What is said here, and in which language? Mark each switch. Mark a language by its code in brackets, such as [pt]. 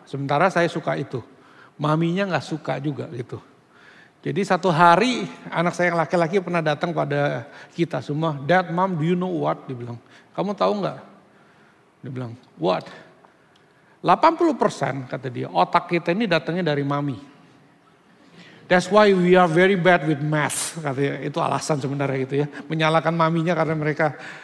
[id] Sementara saya suka itu. Maminya gak suka juga gitu. Jadi satu hari anak saya yang laki-laki pernah datang pada kita semua. [en] "Dad, Mom, do you know what?" [id] Dia bilang. "Kamu tahu gak?" Dia bilang, [en] "What?" [id] 80% kata dia, otak kita ini datangnya dari mami. [en] "That's why we are very bad with math," [id] kata dia. Itu alasan sebenarnya gitu ya. Menyalahkan maminya karena mereka.